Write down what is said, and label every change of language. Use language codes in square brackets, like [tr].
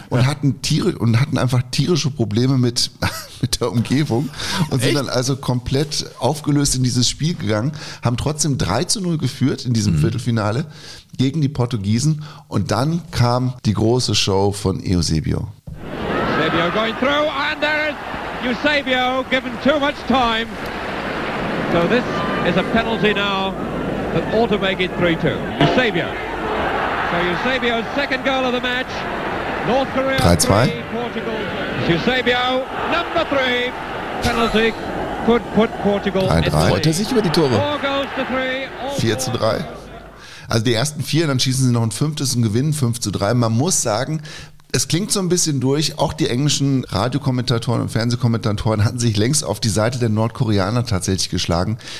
[de] Und hatten einfach tierische Probleme mit der Umgebung und sind dann also komplett aufgelöst in dieses Spiel gegangen, haben trotzdem 3-0 geführt in diesem Viertelfinale gegen die Portugiesen und dann kam die große Show von Eusebio. [en] Eusebio going through, and there is Eusebio given too much time. So this is a penalty now that ought to make it 3-2. Eusebio. So Eusebio's second goal of the match. North Korea 3-2. Eusebio, number 3. Penalty could put Portugal 3-3. [de] Freut er sich über die Tore. 4-3. Also die ersten vier, dann schießen sie noch ein fünftes und gewinnen 5-3. Man muss sagen, es klingt so ein bisschen durch, auch die englischen Radiokommentatoren und Fernsehkommentatoren hatten sich längst auf die Seite der Nordkoreaner tatsächlich geschlagen.